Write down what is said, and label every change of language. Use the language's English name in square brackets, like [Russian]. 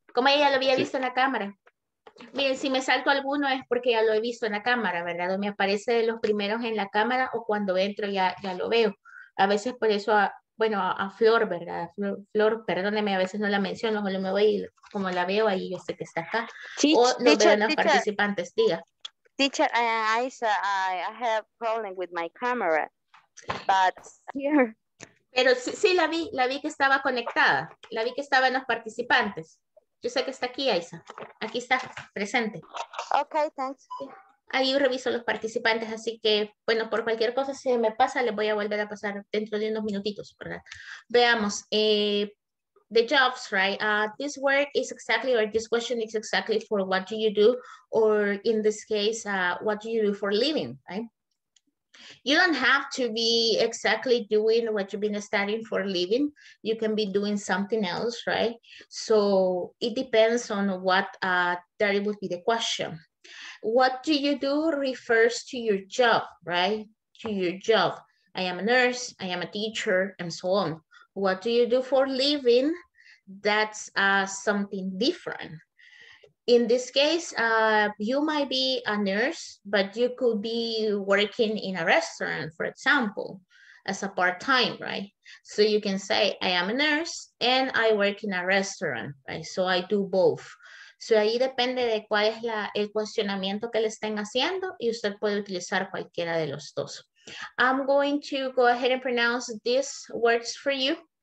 [Spanish] Como ella lo había visto en la cámara. Miren, si me salto alguno es porque ya lo he visto en la cámara, ¿verdad? O me aparece de los primeros en la cámara o cuando entro ya lo veo. A veces por eso, a Flor, ¿verdad? Flor, perdóneme, a veces no la menciono, solo me voy y como la veo ahí yo sé que está acá. Teacher, diga. [English] Teacher, I have a problem with my camera, but here. [Spanish] Pero sí la vi que estaba conectada, la vi que estaba en los participantes. Yo sé que está aquí, Aiza. Aquí está, presente. [English] Ok, thanks. [Spanish] Ahí reviso los participantes, así que, bueno, por cualquier cosa, si me pasa, les voy a volver a pasar dentro de unos minutitos, ¿verdad? Veamos. [English] The jobs, right? This work is exactly, or this question is exactly for what do you do, or in this case, what do you do for a living, right? You don't have to be exactly doing what you've been studying for a living. You can be doing something else, right? So it depends on what that would be the question. What do you do refers to your job, right? To your job. I am a nurse, I am a teacher, and so on. What do you do for a living? That's something different. In this case, you might be a nurse, but you could be working in a restaurant, for example, as a part-time, right? So you can say, I am a nurse and I work in a restaurant, right? So I do both. [Spanish] So ahí depende de cuál es el cuestionamiento que le estén haciendo y usted puede utilizar cualquiera de los dos. [English] I'm going to go ahead and pronounce these words for you.